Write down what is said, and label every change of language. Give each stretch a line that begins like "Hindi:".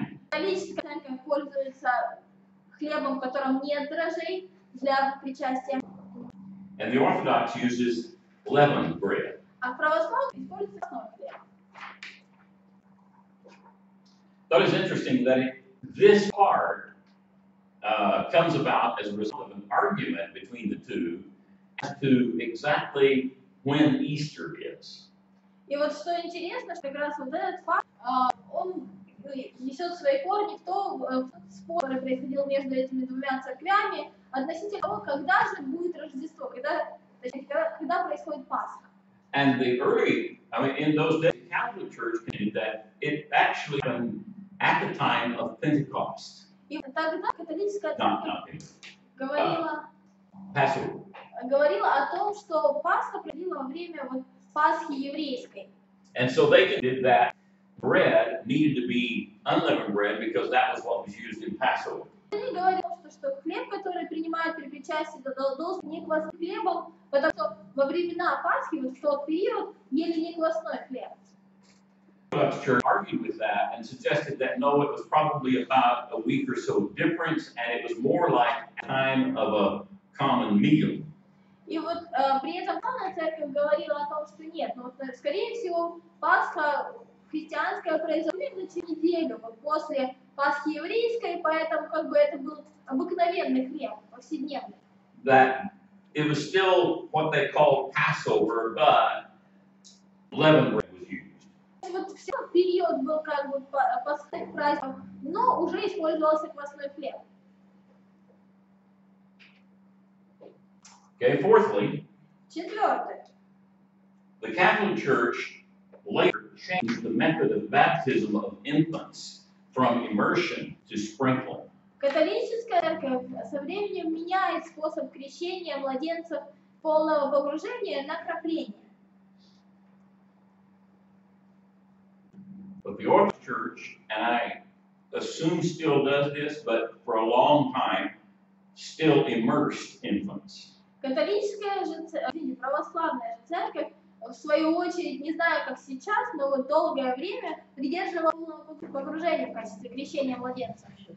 Russian: Католическая церковь пользуется хлебом, в котором нет дрожжей для причастия.
English: And the Orthodox uses leavened bread.
Russian: А православная используется основной хлеб.
English: That is interesting that this part comes about as a result of an argument between the two as to exactly when Easter is.
Russian: И вот что интересно, что как раз вот этот факт, он несет свои корни в том, спор, который происходил между этими двумя церквями, относительно того, когда же будет Рождество, когда происходит Пасха.
English: And the early, I mean, in those days, the Catholic Church claimed that it actually happened at the time of Pentecost.
Russian: И тогда католическая церковь говорила...
English: Passover.
Russian: Говорила о том, что Пасха проходила во время вот Пасхи еврейской.
English: And so they did that bread needed to be unleavened bread because that was what was used in Passover.
Russian: Они говорили, что хлеб, который принимают при причастии, должен не квасным хлебом, потому что во времена Пасхи, вот в тот период, ели не квасной хлеб.
English: Church argued with that and suggested that no, it was probably about a week or so difference, and it was more like time of a common meal.
Russian: И вот при этом православная церковь говорила о том, что нет, но скорее всего Пасха христианская произошла на через неделю, вот после Пасхи еврейской, поэтому как бы это был обыкновенный хлеб, повседневный.
English: That it was still what they called Passover, but leavened bread was used.
Russian: Вот все период был как бы пасхальный праздник, но уже использовался квасной хлеб.
English: Okay, fourthly,
Russian: Четвертое.
English: The Catholic Church later changed the method of baptism of infants from immersion to sprinkling.
Russian: Католическая церковь со временем меняет способ крещения младенцев полного погружения на крапление.
English: But the Orthodox Church, and I assume still does this, but for a long time, still immersed infants.
Russian: Католическая же церковь, православная же церковь, в свою очередь, не знаю, как сейчас, но вот долгое время придерживала погружения в качестве крещения младенцев.